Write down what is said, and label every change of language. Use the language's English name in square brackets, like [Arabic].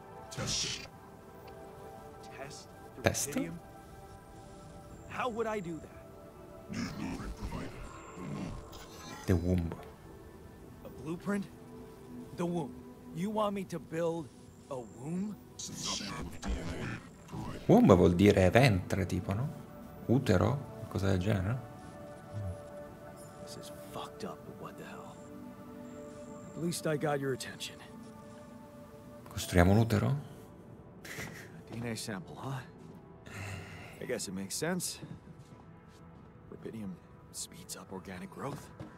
[English] Test. Test? How would I do that? The womb. A blueprint? The womb. You want me to build a womb? [Italian] Womb vuol dire ventre, tipo, no? Utero? Cosa del genere? [English] This is fucked up, but what the hell? At least I got your attention. [Italian] Costruiamo un utero? [English] DNA sample, huh? I guess it makes sense. Rubidium speeds up organic growth.